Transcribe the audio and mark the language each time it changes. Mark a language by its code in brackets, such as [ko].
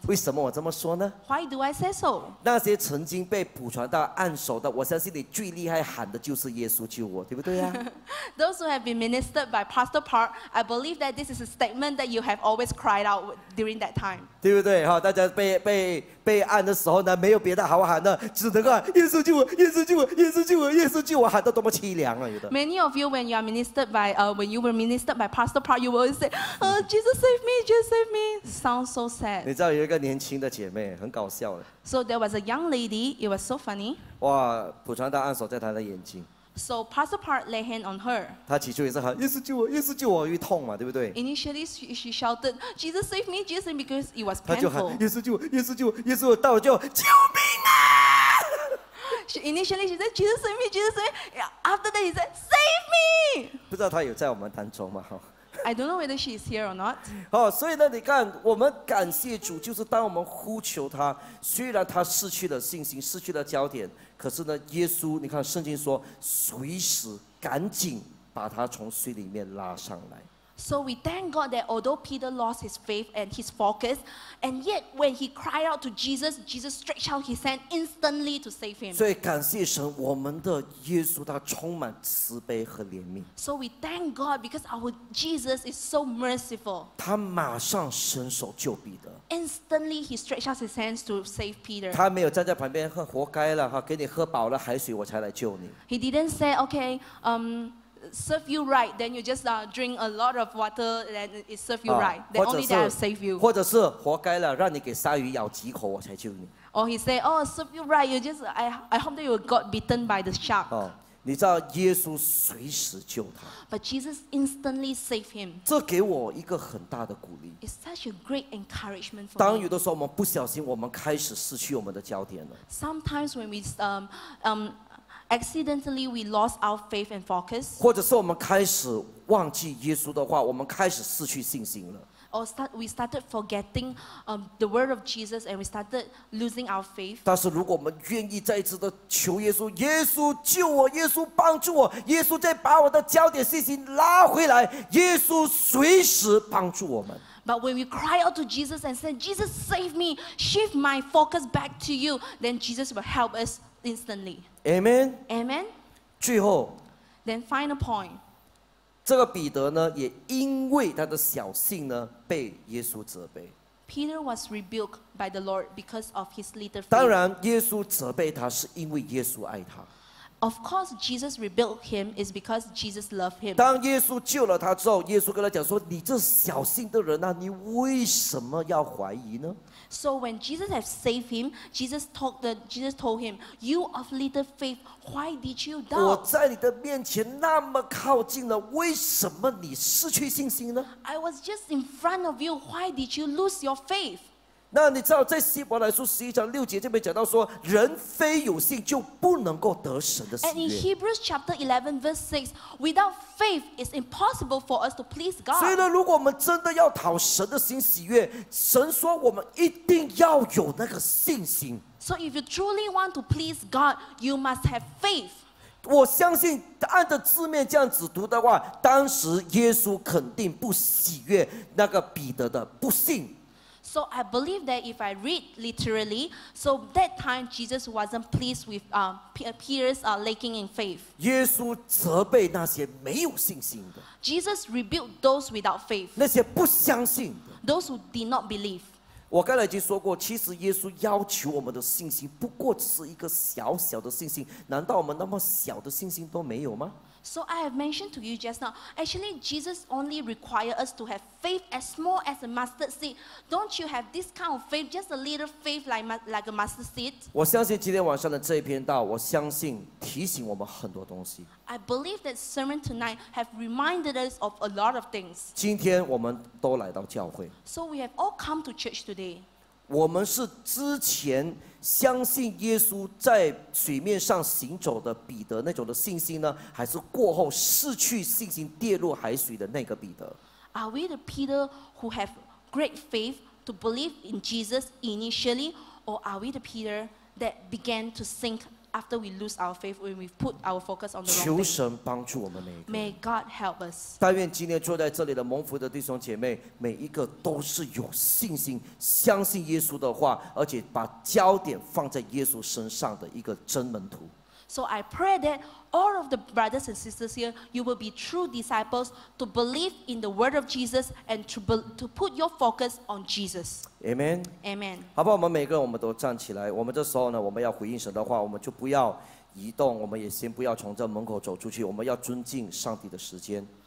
[zh] 为什么我这么说呢？ [en] Why do I say so? [zh] 那些曾经被普传到暗手的，我相信你最厉害喊的就是耶稣救我，对不对啊？ [en] Those who have been ministered by Pastor Park, I believe that this is a statement that you have always cried out during that time. [zh] 对不对？大家被按的时候呢，没有别的好喊的，只能喊耶稣救我，耶稣救我，耶稣救我，耶稣救我，喊得多么凄凉啊！有的。 [en] Many of you, when you are ministered by, when you were ministered by Pastor Park, you will say, Jesus save me, Jesus save me. Sounds so sad. [zh] 你知道有一个年轻的姐妹很搞笑的。 [en] So there was a young lady. It was so funny. [zh] 哇，普传道按手在她的眼睛。 [en] So Pastor Park laid hand on her. [zh] 她起初也是喊耶稣救我，耶稣救我，因为痛嘛，对不对 [en] ？Initially she shouted, "Jesus save me, Jesus," because it was painful. [zh] 她就喊耶稣救我，耶稣救我，耶稣到了就救命啊 [en] ！Initially she said, "Jesus save me, Jesus save me." After that, he said, "Save me." [zh] 不知道她有在我们当中吗？ [en] I don't know whether she is here or not. [zh] 所以呢，你看，我们感谢主，就是当我们呼求他，虽然他失去了信心，失去了焦点，可是呢，耶稣，你看圣经说，随时赶紧把他从水里面拉上来。 [en] So we thank God that although Peter lost his faith and his focus, and yet when he cried out to Jesus, Jesus stretched out his hand instantly to save him. [zh] 所以感谢神，我们的耶稣他充满慈悲和怜悯。 [en] So we thank God because our Jesus is so merciful. [zh] 他马上伸手救彼得。 [en] Instantly he stretched out his hands to save Peter. [zh] 他没有站在旁边哼，活该了哈，给你喝饱了海水我才来救你。 [en] He didn't say, okay, serve you right, then you just drink a lot of water, then it serve you right. Then only that will save you. [zh] 或者是活该了，让你给鲨鱼咬几口，我才救你。 [en] Or he say, oh, serve you right, you just I hope that you got bitten by the shark. [zh] 你知道耶稣随时救他。 [en] But Jesus instantly saved him. [zh] 这给我一个很大的鼓励。 [en] It's such a great encouragement for me. [zh] 当有的时候我们不小心，我们开始失去我们的焦点了。 [en] Sometimes when we accidentally we lost our faith and focus. [zh] 或者是我们开始忘记耶稣的话，我们开始失去信心了。 [en] We started forgetting the word of Jesus and we started losing our faith. [zh] 但是如果我们愿意再一次的求耶稣，耶稣救我，耶稣帮助我，耶稣再把我的焦点信心拉回来，耶稣随时帮助我们。 [en] But when we cry out to Jesus and say, "Jesus, save me! Shift my focus back to you," then Jesus will help us instantly. Amen. Amen. [zh] 最后 [en] then final point. [zh] 这个彼得呢，也因为他的小信呢，被耶稣责备。 [en] Peter was rebuked by the Lord because of his little faith. [zh] 当然，耶稣责备他是因为耶稣爱他。 [en] Of course, Jesus rebuked him is because Jesus loved him. [zh] 当耶稣救了他之后，耶稣跟他讲说：“你这小信的人啊，你为什么要怀疑呢？” [en] So when Jesus had saved him, Jesus told him, "You of little faith, why did you doubt?" [zh] 我在你的面前那么靠近了，为什么你失去信心呢 [en] ？I was just in front of you. Why did you lose your faith? [zh] 那你知道在希伯来书十一章六节这边讲到说，人非有信就不能够得神的喜悦。 [en] And in Hebrews chapter 11 verse 6, without faith, it's impossible for us to please God. [zh] 所以呢，如果我们真的要讨神的心喜悦，神说我们一定要有那个信心。 [en] So if you truly want to please God, you must have faith. [zh] 我相信按着字面这样子读的话，当时耶稣肯定不喜悦那个彼得的不信。 [en] So I believe that if I read literally, so that time Jesus wasn't pleased with Peter's lacking in faith. [zh] 耶稣责备那些没有信心的。 [en] Jesus rebuked those without faith. [zh] 那些不相信的。 [en] Those who did not believe. [zh] 我刚才已经说过，其实耶稣要求我们的信心不过只是一个小小的信心，难道我们那么小的信心都没有吗？ [en] So I have mentioned to you just now, actually Jesus only requires us to have faith as small as a mustard seed. Don't you have this kind of faith, just a little faith like a mustard seed? [zh] 我相信今天晚上的这一篇道，我相信提醒我们很多东西。 [en] I believe that sermon tonight have reminded us of a lot of things. [zh] 今天我们都来到教会。 [en] So we have all come to church today. [zh] 我们是之前相信耶稣在水面上行走的彼得那种的信心呢，还是过后失去信心跌入海水的那个彼得？ [en] Are we the Peter who have great faith, to believe in Jesus initially, or are we the Peter that began to sink after we lose our faith when we put our focus on the wrong thing? [zh] 求神帮助我们每一个。 [en] May God help us. [zh] 但愿今天坐在这里的蒙福的弟兄姐妹，每一个都是有信心、相信耶稣的话，而且把焦点放在耶稣身上的一个真门徒。 [en] So I pray that all of the brothers and sisters here, you will be true disciples to believe in the word of Jesus and to put your focus on Jesus. Amen. Amen. [zh] 好吧，我们每个人我们都站起来。我们这时候呢，我们要回应神的话，我们就不要移动，我们也先不要从这门口走出去。我们要尊敬上帝的时间。